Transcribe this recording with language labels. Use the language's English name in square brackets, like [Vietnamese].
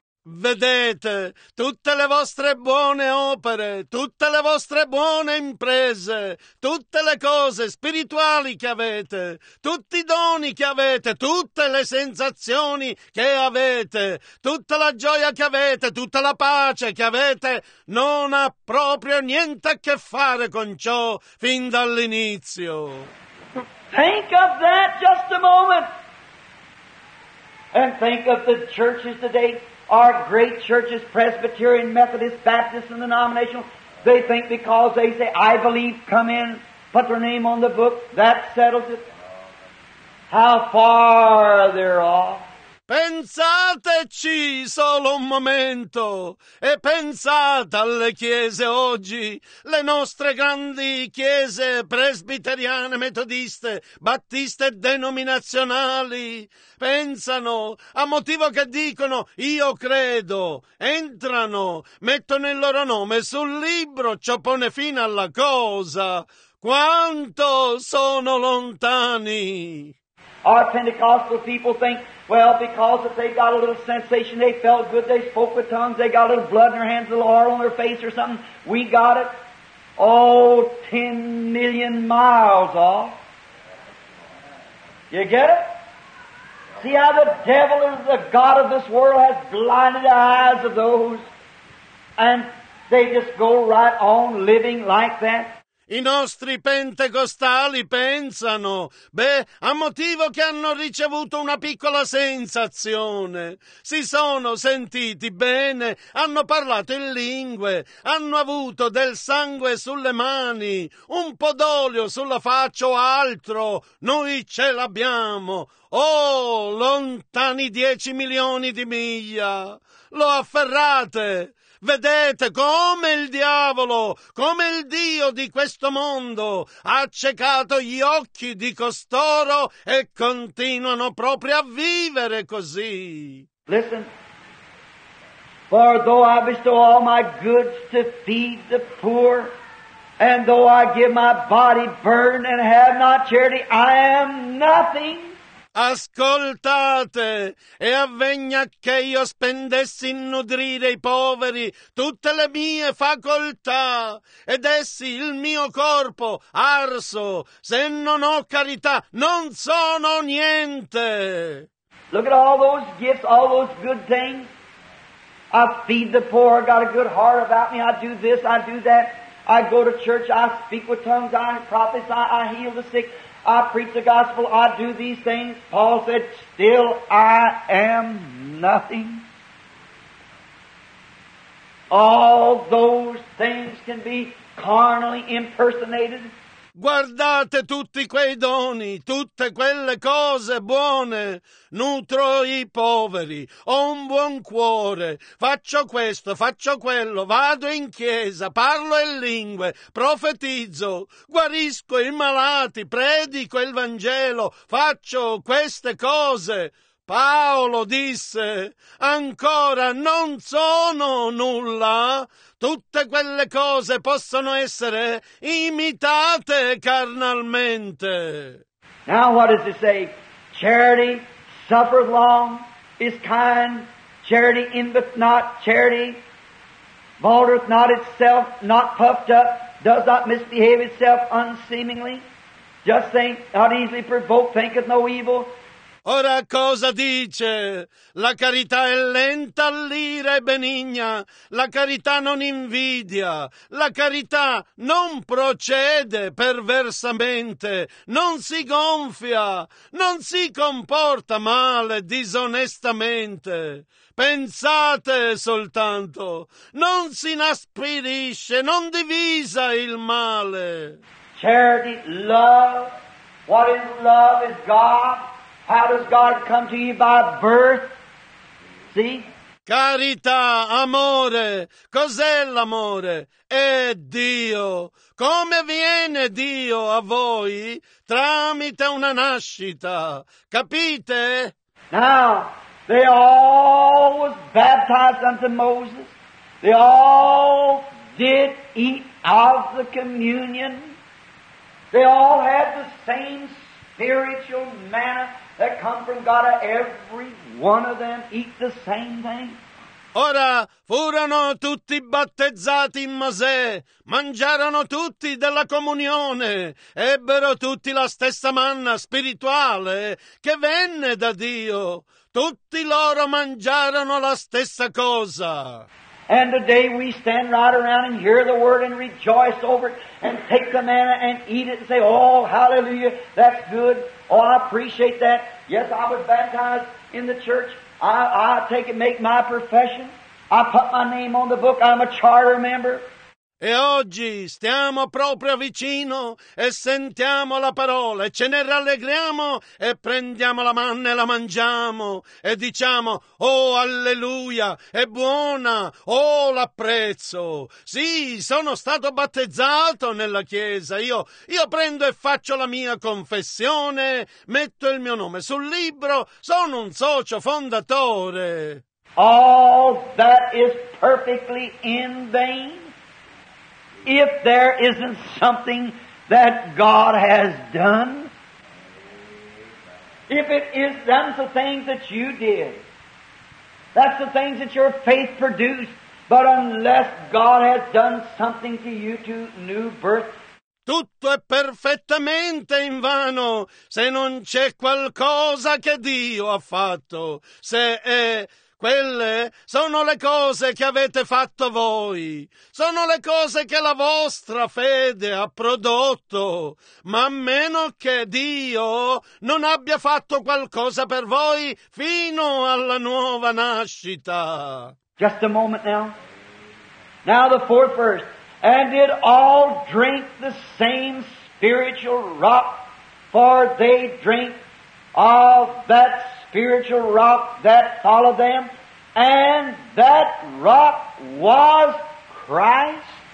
[Italian] Vedete, tutte le vostre buone opere, tutte le vostre buone imprese, tutte le cose spirituali che avete, tutti i doni che avete, tutte le sensazioni che avete, tutta la gioia che avete, tutta la pace che avete, non ha proprio niente a che fare con ciò fin dall'inizio. [English] Think of that just a moment. And think of the churches today. Our great churches, Presbyterian, Methodist, Baptist, and denominational, they think because they say, I believe, come in, put their name on the book, that settles it. How far they're off. [Italian] Pensateci solo un momento e pensate alle chiese oggi, le nostre grandi chiese presbiteriane, metodiste, battiste, denominazionali. Pensano a motivo che dicono io credo, entrano, mettono il loro nome sul libro, ciò pone fine alla cosa. Quanto sono lontani! [English] Our Pentecostal people think, well, because if they got a little sensation, they felt good, they spoke with tongues, they got a little blood in their hands, a little oil on their face or something, we got it. Oh, 10 million miles off. You get it? See how the devil is the god of this world has blinded the eyes of those, and they just go right on living like that. [Italian] I nostri pentecostali pensano, beh, a motivo che hanno ricevuto una piccola sensazione, si sono sentiti bene, hanno parlato in lingue, hanno avuto del sangue sulle mani, un po' d'olio sulla faccia o altro, noi ce l'abbiamo. Oh, lontani 10 milioni di miglia, lo afferrate! Vedete come il diavolo, come il Dio di questo mondo, ha accecato gli occhi di costoro e continuano proprio a vivere così. [English] Listen, for though I bestow all my goods to feed the poor, and though I give my body burned and have not charity, I am nothing. [Italian] Ascoltate, e avvegna che io spendessi in nutrire i poveri tutte le mie facoltà, ed essi il mio corpo arso, se non ho carità, non sono niente. [English] Look at all those gifts, all those good things. I feed the poor, I got a good heart about me, I do this, I do that. I go to church, I speak with tongues, I prophesy, I heal the sick. I preach the gospel, I do these things. Paul said, still I am nothing. All those things can be carnally impersonated. [Italian] Guardate tutti quei doni, tutte quelle cose buone. Nutro i poveri, ho un buon cuore. Faccio questo, faccio quello, vado in chiesa, parlo in lingue, profetizzo, guarisco i malati, predico il Vangelo, faccio queste cose. Paolo disse, ancora non sono nulla. Tutte quelle cose possono essere imitate carnalmente. [English] Now what does it say? Charity suffereth long, is kind. Charity envieth not. Charity vaunteth not itself, not puffed up, does not misbehave itself unseemingly. Just think, not easily provoked, thinketh no evil. [Italian] Ora cosa dice? La carità è lenta all'ira e benigna, la carità non invidia, la carità non procede perversamente, non si gonfia, non si comporta male, disonestamente. Pensate soltanto, non si inasprisce, non divisa il male. [English] Charity, love, what is love is God. How does God come to you? By birth. See? [Italian] Carità, amore, cos'è l'amore? È Dio. Come viene Dio a voi? Tramite una nascita. Capite? [English] Now, they all was baptized unto Moses. They all did eat of the communion. They all had the same spiritual manna that come from God. Every one of them eat the same thing. [Italian] Ora furono tutti battezzati in Mosè, mangiarono tutti della comunione, ebbero tutti la stessa manna spirituale che venne da Dio. Tutti loro mangiarono la stessa cosa. [English] And today we stand right around and hear the word and rejoice over it and take the manna and eat it and say, oh, hallelujah, that's good. Oh, I appreciate that. Yes, I was baptized in the church. I take it, make my profession. I put my name on the book. I'm a charter member. [Italian] E oggi stiamo proprio vicino e sentiamo la parola e ce ne rallegriamo e prendiamo la manna e la mangiamo e diciamo, oh alleluia, è buona, oh l'apprezzo. Sì, sono stato battezzato nella chiesa, io prendo e faccio la mia confessione, metto il mio nome sul libro, sono un socio fondatore. [English] All that is perfectly in vain. If there isn't something that God has done, if it is done, the things that you did, that's the things that your faith produced, but unless God has done something to you to new birth, [Italian] tutto è perfettamente invano se non c'è qualcosa che Dio ha fatto, se è... Quelle sono le cose che avete fatto voi, sono le cose che la vostra fede ha prodotto, ma a meno che Dio non abbia fatto qualcosa per voi fino alla nuova nascita. [English] Just a moment now. Now the fourth verse. And did all drink the same spiritual rock, for they drink of that spiritual rock that followed them, and that rock was Christ.